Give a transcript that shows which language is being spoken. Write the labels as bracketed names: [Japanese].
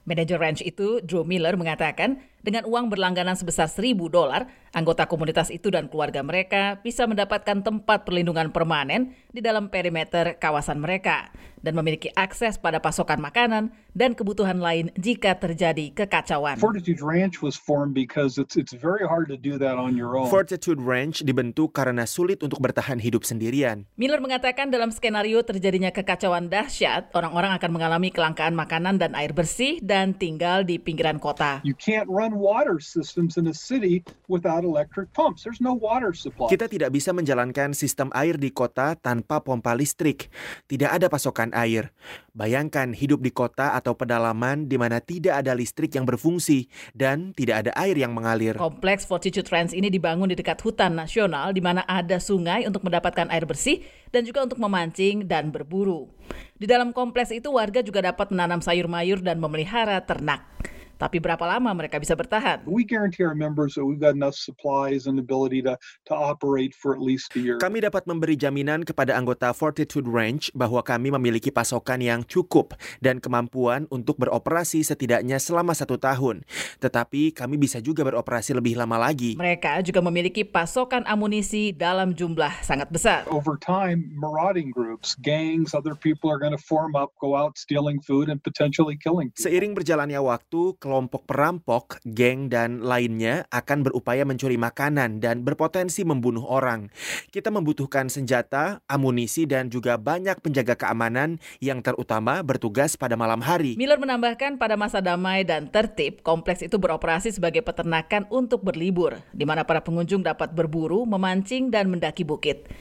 [Indonesian] Manager ranch itu, Drew Miller, mengatakan dengan uang berlangganan sebesar $1,000, anggota komunitas itu dan keluarga mereka bisa mendapatkan tempat perlindungan permanen di dalam perimeter kawasan mereka dan memiliki akses pada pasokan makanan dan kebutuhan lain jika terjadi kekacauan. [English] 42 Ranch was formed because it's very hard to do that on your own. [Indonesian] 42 Ranch dibentuk karena sulit untuk bertahan hidup sendirian. Miller mengatakan dalam skenario terjadinya kekacauan dahsyat, orang-orang akan mengalami kelangkaan makanan dan air bersih dan tinggal di pinggiran kota. [English] You can't run water systems in a city without electric pumps. There's no water supply. [Indonesian] Kita tidak bisa menjalankan sistem air di kota tanpa pompa listrik. Tidak ada pasokan air. Bayangkan hidup di kota atau pedalaman di mana tidak ada listrik yang berfungsi dan tidak ada air yang mengalir. Kompleks 42 Ranch ini dibangun di dekat hutan nasional di mana ada sungai untuk mendapatkan air bersih dan juga untuk memancing dan berburu. Di dalam kompleks itu warga juga dapat menanam sayur mayur dan memelihara ternak. Tapi berapa lama mereka bisa bertahan? [English] We guarantee our members that we've got enough supplies and ability to operate for at least a year. [Indonesian] Kami dapat memberi jaminan kepada anggota 42 Ranch bahwa kami memiliki pasokan yang cukup dan kemampuan untuk beroperasi setidaknya selama 1 tahun. Tetapi kami bisa juga beroperasi lebih lama lagi. Mereka juga memiliki pasokan amunisi dalam jumlah sangat besar. [English] Over time, marauding groups, gangs, other people are going to form up, go out stealing food and potentially killing people. [Indonesian] Seiring berjalannya waktu, kelompok perampok, geng, dan lainnya akan berupaya mencuri makanan dan berpotensi membunuh orang. Kita membutuhkan senjata, amunisi, dan juga banyak penjaga keamanan yang terutama bertugas pada malam hari. Miller menambahkan pada masa damai dan tertib, kompleks itu beroperasi sebagai peternakan untuk berlibur, di mana para pengunjung dapat berburu, memancing, dan mendaki bukit.